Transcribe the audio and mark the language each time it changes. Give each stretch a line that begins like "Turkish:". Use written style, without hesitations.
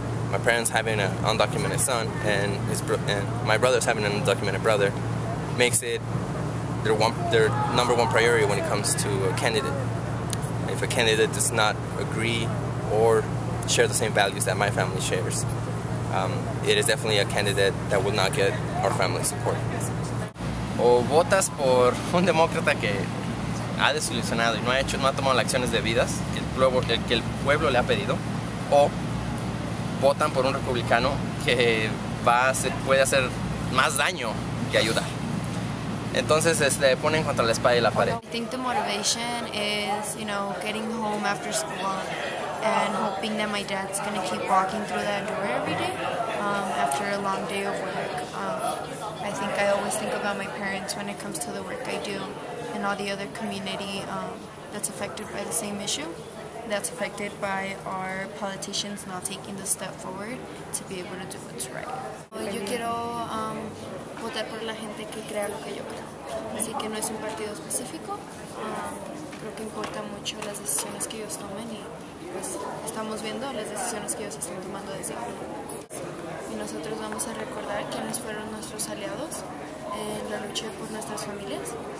English: My parents having an undocumented son and my brother's having an undocumented brother makes it their number one priority when it comes to a candidate. If a candidate does not agree or share the same values that my family shares, it is definitely a candidate that will not get our family support.
Spanish: O votas por un demócrata que ha desilusionado y no ha tomado las acciones debidas que el pueblo le ha pedido, o votan por un republicano que puede hacer más daño que ayudar. Entonces se ponen contra la espada y la pared.
English: I think the motivation is, you know, getting home after school and hoping that my dad's going to keep walking through that door every day after a long day of work. I think I always think about my parents when it comes to the work I do and all the other community that's affected by the same issue, that's affected by our politicians not taking the step forward to be able to do what's right.
Spanish: Yo quiero votar por la gente que crea lo que yo creo. Así que no es un partido específico. Creo que importa mucho las decisiones que ellos tomen y pues estamos viendo las decisiones que ellos están tomando desde aquí. Y nosotros vamos a recordar quiénes fueron nuestros aliados en la lucha por nuestras familias.